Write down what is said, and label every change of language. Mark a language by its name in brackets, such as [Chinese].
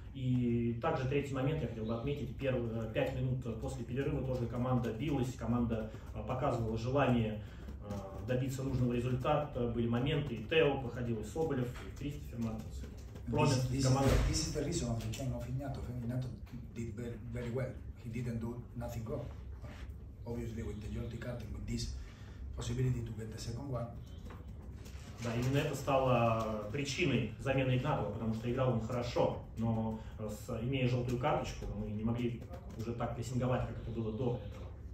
[Russian] И также третий момент, я хотел бы отметить, первые 5 минут после перерыва тоже команда билась, команда показывала желание добиться нужного результата. Были моменты, и Тео выходил, и Соболев, и Кристофер Мартинс. [English] This is the reason of the change of Ignato. Ignato did very well. He didn't do nothing wrong. But obviously, with the Jordi card and with this possibility to get the second one. [Russian] Да, именно это стало причиной замены Игнатова, потому что играл он хорошо, но имея желтую карточку, мы не могли уже так прессинговать, как это было до этого.